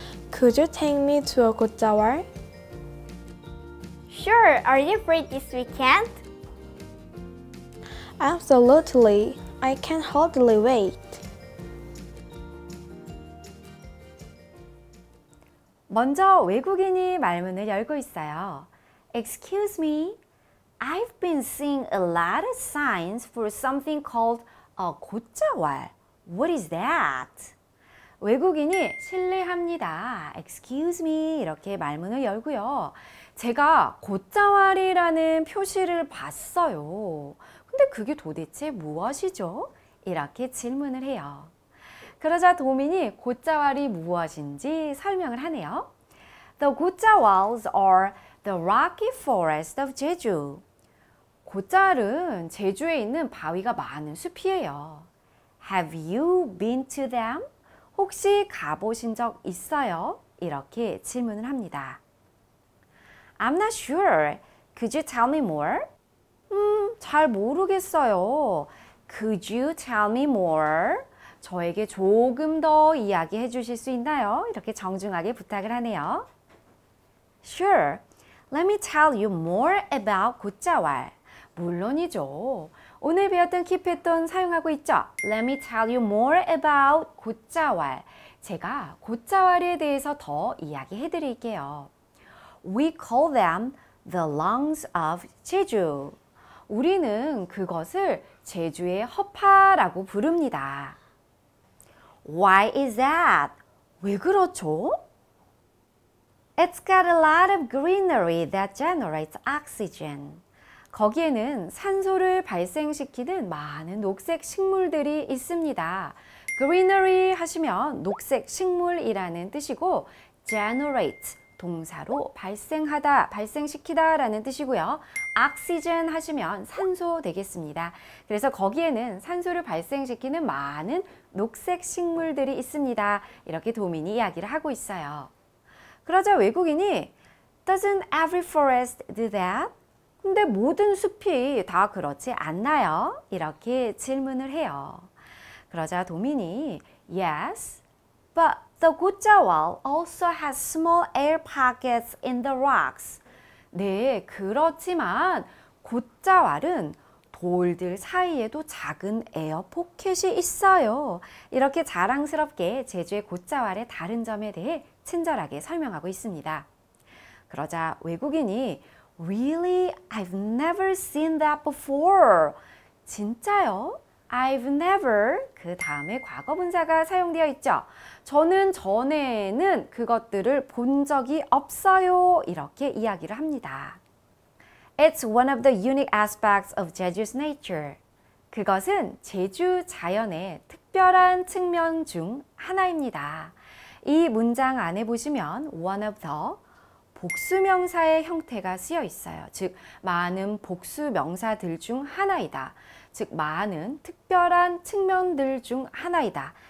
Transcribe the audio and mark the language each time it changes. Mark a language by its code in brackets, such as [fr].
[en] Could you take me to a 곶자왈? Sure, are you free this weekend? Absolutely, I can hardly wait. [ko] 먼저 외국인이 말문을 열고 있어요. [en] Excuse me, I've been seeing a lot of signs for something called a 곶자왈. What is that? [ko] 외국인이 실례합니다. [en] Excuse me, [ko] 이렇게 말문을 열고요. 제가 곶자왈이라는 표시를 봤어요. 근데 그게 도대체 무엇이죠? 이렇게 질문을 해요. 그러자 도민이 곶자왈이 무엇인지 설명을 하네요. [en] The 곶자왈s are the rocky forest of Jeju. [ko] 곶자왈은 제주에 있는 바위가 많은 숲이에요. [en] Have you been to them? [ko] 혹시 가보신 적 있어요? 이렇게 질문을 합니다. [en] I'm not sure. Could you tell me more? [ko] 잘 모르겠어요. [en] Could you tell me more? [ko] 저에게 조금 더 이야기해 주실 수 있나요? 이렇게 정중하게 부탁을 하네요. [en] Sure. Let me tell you more about 곶자왈. [ko] 물론이죠. 오늘 배웠던 키 패턴 사용하고 있죠? [en] Let me tell you more about 곶자왈. [ko] 제가 곶자왈에 대해서 더 이야기해 드릴게요. [en] We call them the lungs of Jeju. [ko] 우리는 그것을 제주의 허파라고 부릅니다. [en] Why is that? [ko] 왜 그렇죠? [en] It's got a lot of greenery that generates oxygen. [ko] 거기에는 산소를 발생시키는 많은 녹색 식물들이 있습니다. Greenery 하시면 녹색 식물이라는 뜻이고 generate 동사로 발생하다, 발생시키다 라는 뜻이고요. Oxygen 하시면 산소 되겠습니다. 그래서 거기에는 산소를 발생시키는 많은 녹색 식물들이 있습니다. 이렇게 도민이 이야기를 하고 있어요. 그러자 외국인이 [en] Doesn't every forest do that? [ko] 근데 모든 숲이 다 그렇지 않나요? 이렇게 질문을 해요. 그러자 도민이 [en] Yes, but the 곶자왈 also has small air pockets in the rocks. [ko] 네, 그렇지만 곶자왈은 돌들 사이에도 작은 에어 포켓이 있어요. 이렇게 자랑스럽게 제주의 곶자왈의 다른 점에 대해 친절하게 설명하고 있습니다. 그러자 외국인이 [en] Really? I've never seen that before. [ko] 진짜요? [en] I've never. [ko] 그 다음에 과거분사가 사용되어 있죠. 저는 전에는 그것들을 본 적이 없어요. 이렇게 이야기를 합니다. [en] It's one of the unique aspects of Jeju's nature. [ko] 그것은 제주 자연의 특별한 측면 중 하나입니다. 이 문장 안에 보시면 [en] one of the [ko] 복수명사의 형태가 쓰여 있어요. 즉, 많은 복수명사들 중 하나이다. 즉, 많은 특별한 측면들 중 하나이다.